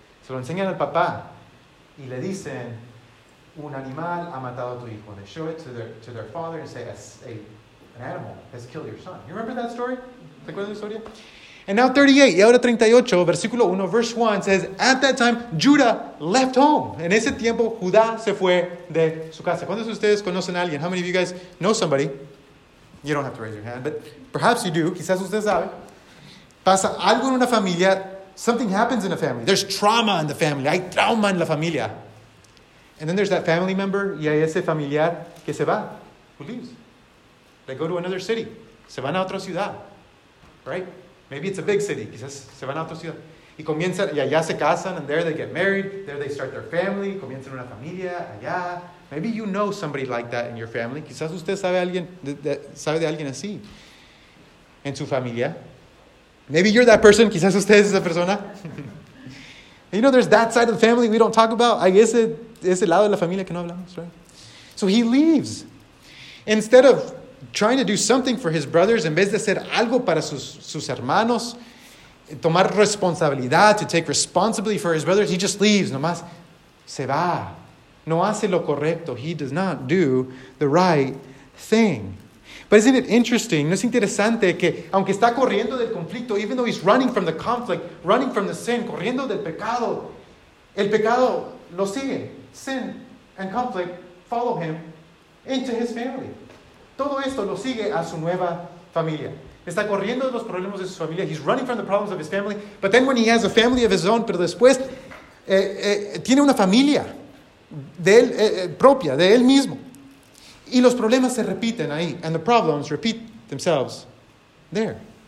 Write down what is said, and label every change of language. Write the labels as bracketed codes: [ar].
[es] Se lo enseñan al papá y le dicen, un animal ha matado a tu hijo. [en] They show it to their father and say, an animal has killed your son. You remember that story? [es] ¿Te acuerdas de la historia? [en] And now 38, [es] y ahora 38, versículo 1, [en] verse 1, says, at that time, Judah left home. [es] En ese tiempo, Judá se fue de su casa. ¿Cuántos de ustedes conocen a alguien? [en] How many of you guys know somebody? You don't have to raise your hand, but perhaps you do. [es] Quizás usted sabe. Pasa algo en una familia. [en] Something happens in a family. There's trauma in the family. [es] Hay trauma en la familia. [en] And then there's that family member, [es] y hay ese familiar que se va, [en] who leaves. They go to another city. [es] Se van a otra ciudad, [en] right? Maybe it's a big city. [es] Quizás se van a otra ciudad. Y comienzan, y allá se casan, [en] and there they get married. There they start their family. [es] Comienzan una familia allá. [en] Maybe you know somebody like that in your family. [es] Quizás usted sabe de alguien así en su familia. [en] Maybe you're that person. [es] Quizás usted es esa persona. [en] You know, there's that side of the family we don't talk about. [es] Hay ese lado de la familia que no hablamos, right? [en] So he leaves. Instead of trying to do something for his brothers, [es] en vez de hacer algo para sus hermanos, tomar responsabilidad, [en] to take responsibility for his brothers, he just leaves. [es] Nomás se va. No hace lo correcto. [en] He does not do the right thing. But isn't it interesting, [es] no es interesante que aunque está corriendo del conflicto, [en] even though he's running from the conflict, running from the sin, [es] corriendo del pecado, el pecado lo sigue. [en] Sin and conflict follow him into his family. [es] Todo esto lo sigue a su nueva familia. Está corriendo de los problemas de su familia. [en] He's running from the problems of his family. But then when he has a family of his own, [es] pero después tiene una familia de él, propia, de él mismo. Y los problemas se repiten ahí. [en] And the problems repeat themselves there.